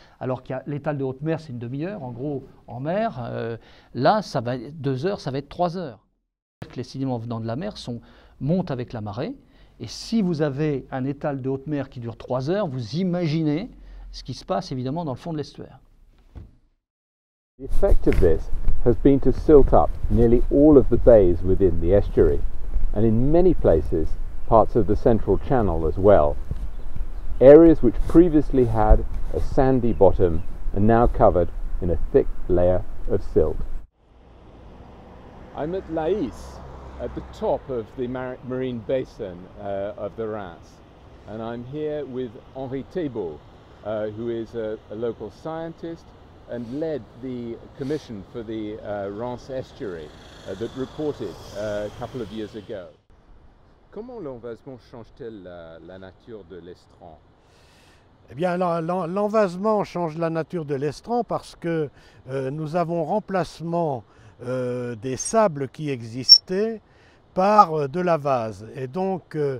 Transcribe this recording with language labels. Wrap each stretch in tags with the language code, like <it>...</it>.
<fr>Alors qu'il y a l'étale de haute mer, c'est une demi-heure, en gros, en mer. Là, ça va être 2 heures, ça va être 3 heures. Les sédiments venant de la mer montent avec la marée, et si vous avez un étal de haute mer qui dure 3 heures, vous imaginez ce qui se passe évidemment dans le fond de l'estuaire.</fr> <en>The effect of this has been to silt up nearly all of the bays within the estuary, and in many places, parts of the central channel as well. Areas which previously had a sandy bottom are now covered in a thick layer of silt. I'm at Laïs, at the top of the marine basin of the Rance. And I'm here with Henri Thébault, who is a local scientist and led the commission for the Rance estuary that reported a couple of years ago.</en> <fr>Comment l'envasement change-t-il la nature de l'estran? Eh bien, l'envasement change la nature de l'estran parce que nous avons remplacement des sables qui existaient par de la vase. Et donc,</fr>